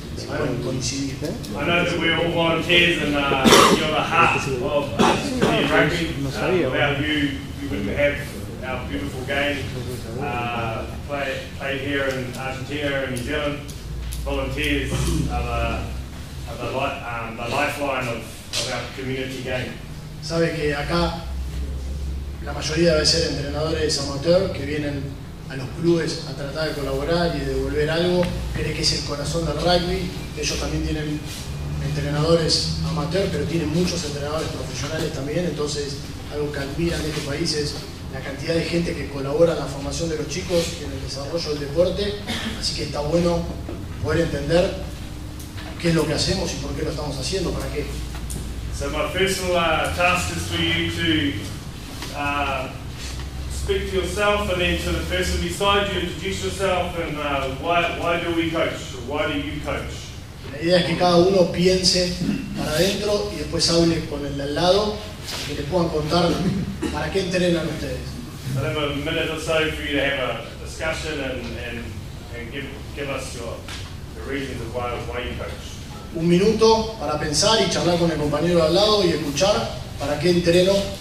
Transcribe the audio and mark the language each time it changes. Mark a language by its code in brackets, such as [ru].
[en] I know that we're all volunteers and you're the heart of the rugby. Without you, we wouldn't have our beautiful game played here in Argentina and New Zealand. Volunteers are the lifeline of our community game. [es] Sabe que acá la mayoría debe ser entrenadores amateur que vienen a los clubes a tratar de colaborar y devolver algo, cree que es el corazón del rugby. Ellos también tienen entrenadores amateur, pero tienen muchos entrenadores profesionales también, entonces algo que admira en este país es la cantidad de gente que colabora en la formación de los chicos y en el desarrollo del deporte, así que está bueno poder entender qué es lo que hacemos y por qué lo estamos haciendo, para qué. [en] So my personal task is for you to speak to yourself and then to the person beside you, introduce yourself and why do we coach? Why do you coach? [es] La idea es que cada uno piense para adentro y después hable con el de al lado y le puedan contar para qué entrenan ustedes. [en] I'll have a minute or so for you to have a discussion and give us the reasons of why you coach. [es] Un minuto para pensar y charlar con el compañero al lado y escuchar para qué entreno.